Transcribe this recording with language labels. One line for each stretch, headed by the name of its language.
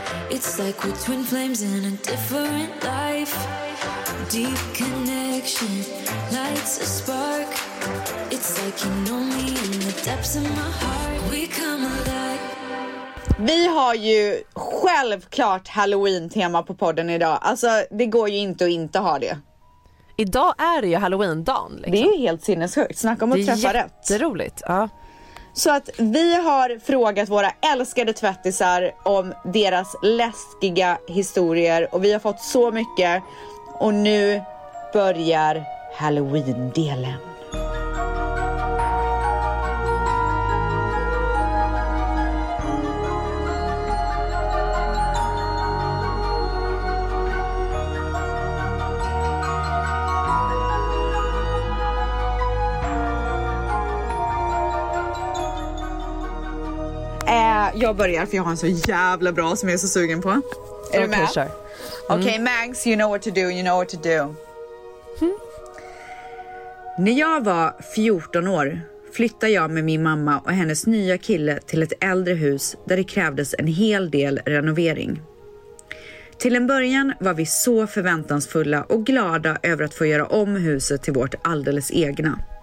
English: It's like we're twin flames in a different life. Deep connection, lights a spark. It's like you know me in the depths of my heart. We come alive.
Swedish: Vi har ju självklart Halloween-tema på podden idag. Alltså, det går ju inte att inte ha det. Idag är det ju Halloween-dagen. Liksom. Det är helt sinnessjukt. Snacka om att träffa rätt. Det är jätteroligt, ja. Så att vi har frågat våra älskade tvättisar om deras läskiga historier. Och vi har fått så mycket. Och nu börjar Halloween-delen. Jag börjar för jag har en så jävla bra som jag är så sugen på. Är du med? Okej, sure.
English: Okay, Mags, you know what to do, you know what to do.
Swedish: När jag var 14 år flyttade jag med min mamma och hennes nya kille till ett äldre hus där det krävdes en hel del renovering. Till en början var vi så förväntansfulla och glada över att få göra om huset till vårt alldeles egna.